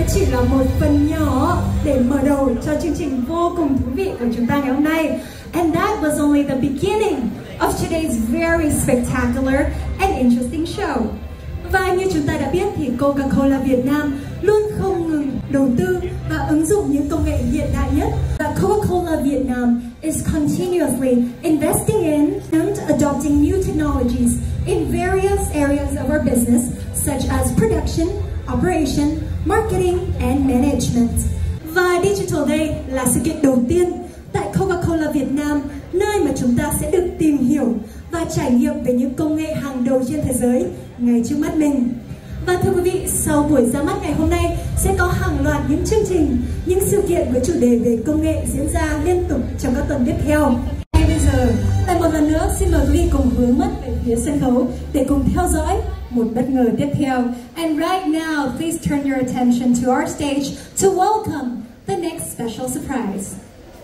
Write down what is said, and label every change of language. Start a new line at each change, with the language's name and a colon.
Vietnamese: là một phần nhỏ để mở đầu cho chương trình vô cùng thú vị của chúng ta ngày hôm nay.
English: And that was only the beginning of today's very spectacular and interesting show.
Vietnamese: Và như chúng ta đã biết thì Coca-Cola Việt Nam luôn không ngừng đầu tư và ứng dụng những công nghệ hiện đại nhất.
English: Và Coca-Cola Việt Nam is continuously investing in and adopting new technologies in various areas of our business, such as production, operation, marketing and management.
Vietnamese: Và Digital Day là sự kiện đầu tiên tại Coca-Cola Việt Nam, nơi mà chúng ta sẽ được tìm hiểu và trải nghiệm về những công nghệ hàng đầu trên thế giới ngay trước mắt mình. Và thưa quý vị, sau buổi ra mắt ngày hôm nay sẽ có hàng loạt những chương trình, những sự kiện với chủ đề về công nghệ diễn ra liên tục trong các tuần tiếp theo. Ngay bây giờ, lại một lần nữa xin mời quý vị cùng hướng mắt về phía sân khấu để cùng theo dõi một bất ngờ tiếp theo.
English: And right now, please turn your attention to our stage to welcome the next special surprise.